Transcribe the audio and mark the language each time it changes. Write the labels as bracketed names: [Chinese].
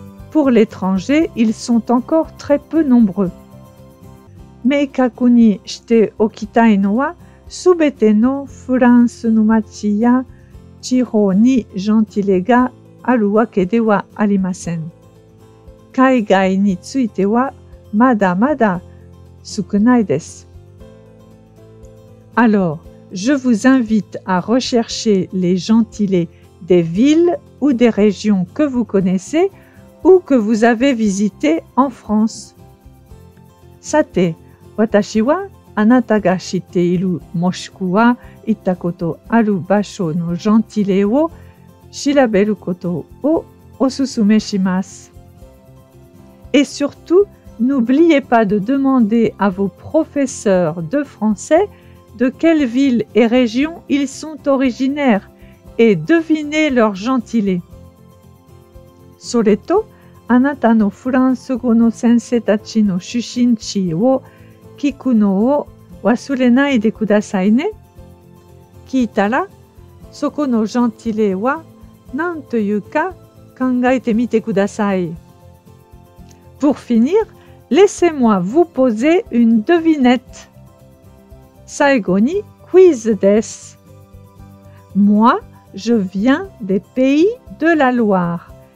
[French] Pour l'étranger, ils sont encore très peu nombreux. [Japanese] Mais kakuni shite okitai no wa, subete no Furansu no machi ya chiho ni gentilé ga,あるわけではありません。海外についてはまだまだ少ないです。 [French] Alors, je vous invite à rechercher les gentilés des villes ou des régions que vous connaissez ou que vous avez visitées en France. [Japanese] さて、私はあなたが知っているもしくは行ったことある場所のジェンティレを調べることをおすすめします。 [French] Et surtout, n'oubliez pas de demander à vos professeurs de français de quelle ville et région ils sont originaires et devinez leur gentilé. [Japanese] それと、あなたのフランス語の先生たちの出身地を聞くのを忘れないでくださいね。聞いたら、そこのジェンティレはなんというか考えてみてください。 [French] Pour finir, laissez-moi vous poser une devinette. [Japanese] 最後にクイズです。 [French] Moi, je viens des pays de la Loire.